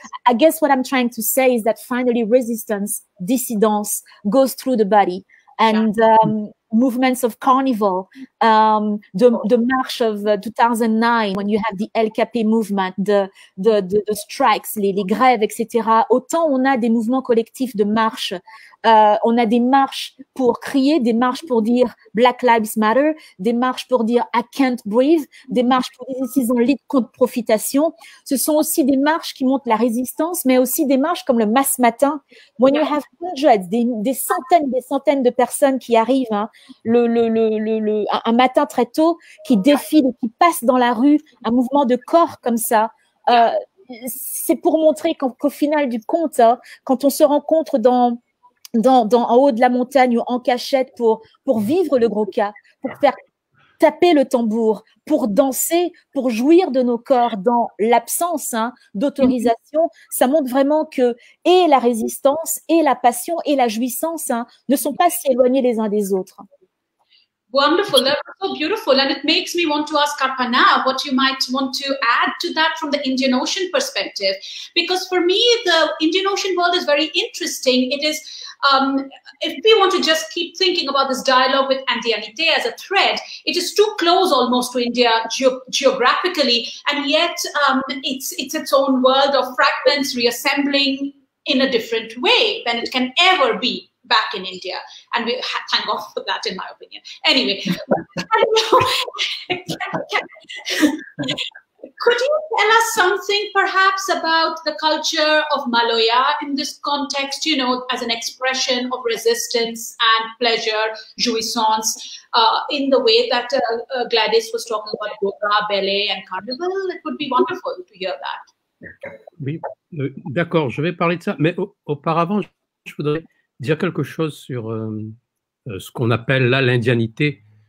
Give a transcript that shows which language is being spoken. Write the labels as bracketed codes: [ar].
[en] I guess what I'm trying to say is that finally resistance, dissidence goes through the body. And movements of carnival, the march of 2009, when you have the LKP movement, the strikes, [fr] les grèves, [en] etc. [fr] Autant on a des mouvements collectifs de marche, on a des marches pour crier, des marches pour dire Black Lives Matter, des marches pour dire [en] I can't breathe, [fr] des marches pour dire ils ont lit contre profitation. Ce sont aussi des marches qui montrent la résistance, mais aussi des marches comme le masse matin. [en] When you have hundreds, [fr] des centaines de personnes qui arrivent, hein, un matin très tôt, qui défile, qui passe dans la rue, un mouvement de corps comme ça, c'est pour montrer qu'au final du compte, hein, quand on se rencontre dans en haut de la montagne ou en cachette pour vivre le gros cas, pour faire taper le tambour, pour danser, pour jouir de nos corps dans l'absence, hein, d'autorisation, ça montre vraiment que et la résistance, et la passion, et la jouissance, hein, ne sont pas si éloignés les uns des autres. [en] Wonderful, that's so beautiful, and it makes me want to ask Arpana what you might want to add to that from the Indian Ocean perspective, because for me the Indian Ocean world is very interesting. It is, if we want to just keep thinking about this dialogue with Andianite as a thread, it is too close almost to India geographically, and yet it's its own world of fragments reassembling in a different way than it can ever be back in India. And we thank God for that, in my opinion. Anyway, could you tell us something perhaps about the culture of Maloya in this context, you know, as an expression of resistance and pleasure, jouissance, in the way that Gladys was talking about Goga, ballet and carnival? It would be wonderful to hear that. [fr] Oui, d'accord, je vais parler de ça, mais auparavant, je voudrais dire quelque chose sur ce qu'on appelle là l'indianité.